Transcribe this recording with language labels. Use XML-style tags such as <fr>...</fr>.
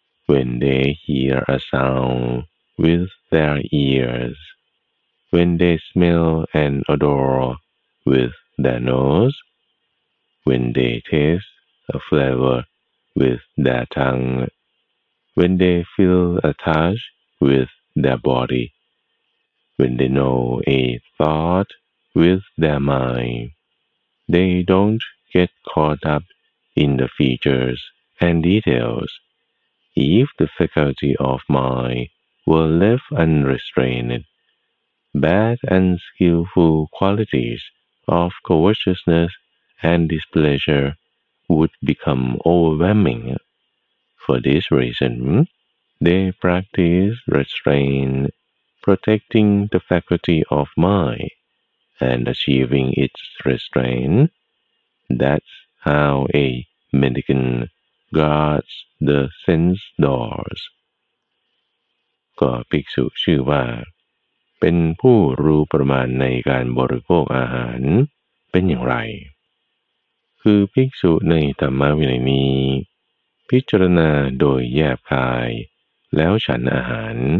<en>When they hear a sound with their ears, when they smell and odore with their nose, when they taste a flavor with their tongue, when they feel a touch with their body, when they know a thought with their mindThey don't get caught up in the features and details. If the faculty of mind were left unrestrained, bad and skillful qualities of covetousness and displeasure would become overwhelming. For this reason, they practice restraint, protecting the faculty of mind. And achieving its restraint, that's how a mendicant guards the sense doors</en> <th>ก็ภิกษุชื่อว่าเป็นผู้รู้ประมาณในการบริโภคอาหารเป็นอย่างไรคือภิกษุในธรรมวินัยนี้พิจารณาโดยแยบคายแล้วฉันอาหาร</th>